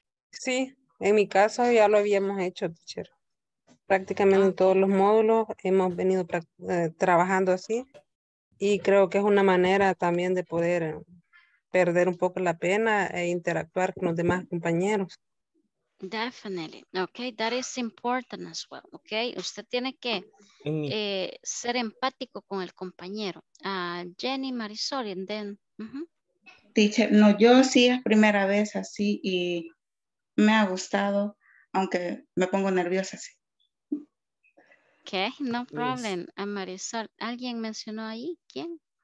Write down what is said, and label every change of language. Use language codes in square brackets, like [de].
[es] Sí, en mi caso ya lo habíamos hecho, teacher. Prácticamente en todos los módulos hemos venido trabajando así y creo que es una manera también de poder perder un poco la pena e interactuar con los demás compañeros. [en] Definitely, okay, that is important as well, okay. [es] Usted tiene que ser empático con el compañero. [en] Jenny, Marisol, and then... [es] Teacher, no, yo sí es primera vez así y me ha gustado, aunque me pongo nerviosa así. [en] Ok, no problem. [es] A Marisol, ¿alguien mencionó ahí? ¿Quién?